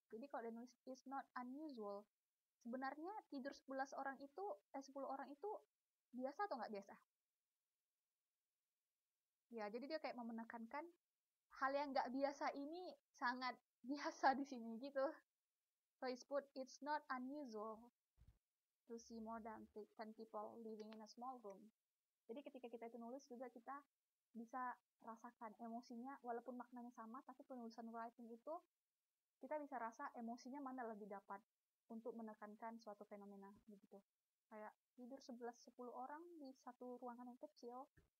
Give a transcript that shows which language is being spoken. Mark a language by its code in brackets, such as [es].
[id] Jadi kalau dia nulis [en] it's not unusual, [id] sebenarnya tidur 11 orang itu, 10 orang itu biasa atau nggak biasa? Ya, jadi dia kayak menekankan hal yang nggak biasa ini sangat biasa di sini gitu. [en] So he's put it's not unusual to see more than 10 people living in a small room. [id] Jadi ketika kita itu nulis juga kita bisa rasakan emosinya, walaupun maknanya sama, tapi penulisan writing itu kita bisa rasa emosinya mana lebih dapat untuk menekankan suatu fenomena begitu. Kayak tidur 11 10 orang di satu ruangan yang kecil.